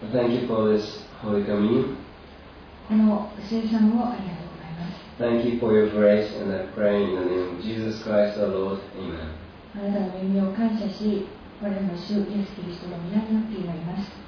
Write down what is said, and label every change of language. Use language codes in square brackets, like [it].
[en] Thank you for this holy communion. [ja] この聖餐をありがとうございます。 [en] Thank you for your grace and I pray in the name of Jesus Christ our Lord. Amen. [ja] あなたの恵みを感謝し、我らの主イエスキリストの皆によって祈ります。